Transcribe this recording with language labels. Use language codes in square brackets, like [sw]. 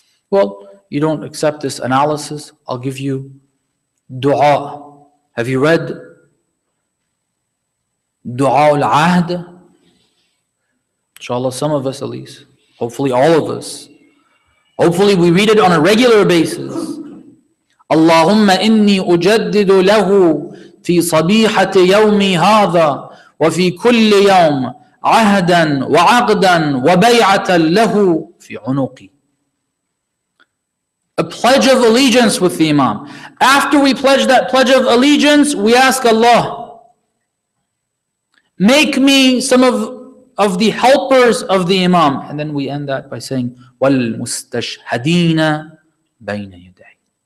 [en] Well, you don't accept this analysis. I'll give you dua. Have you read Dua al-Ahd? Inshallah, some of us at least. Hopefully all of us. Hopefully we read it on a regular basis. [ar] Allahumma inni ujaddidu lahu fi sabihati yawmi hadha وفي كل يوم عهدا وعقدا وبيعة له في عنقي. [en] A pledge of allegiance with the Imam. After we pledge that pledge of allegiance, we ask Allah, make me some of the helpers of the Imam. And then we end that by saying, [ar] والمستشهدين بين يدي.